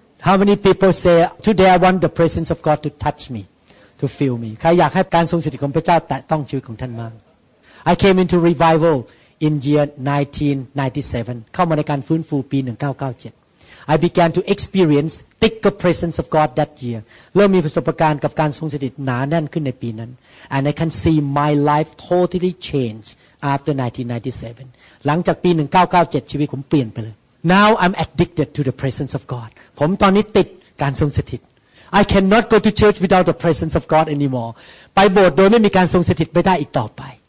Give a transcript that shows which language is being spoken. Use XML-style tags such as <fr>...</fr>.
<en>How many people say, today I want the presence of God to touch me, to feel me?</en> <th>ใครอยากให้การทรงสถิตของพระเจ้าแตะต้องชีวิตของท่านบ้าง</th> <en>I came into revival in year 1997.</en> <th>เข้ามาในการฟื้นฟูปี1997.</th> <en>I began to experience thicker presence of God that year.</en> <th>เริ่มมีประสบการณ์กับการทรงสถิตหนาแน่นขึ้นในปีนั้น</th> <en>and I can see my life totally change after 1997</en> <th>หลังจากปี1997ชีวิตผมเปลี่ยนไปเลย</th> <en>now I'm addicted to the presence of God</en> <th>ผมตอนนี้ติดการทรงสถิต</th> <en>I cannot go to church without the presence of God anymore</en> <th>ไปโบสถ์โดยไม่มีการทรงสถิตไม่ได้อีกต่อไป</th>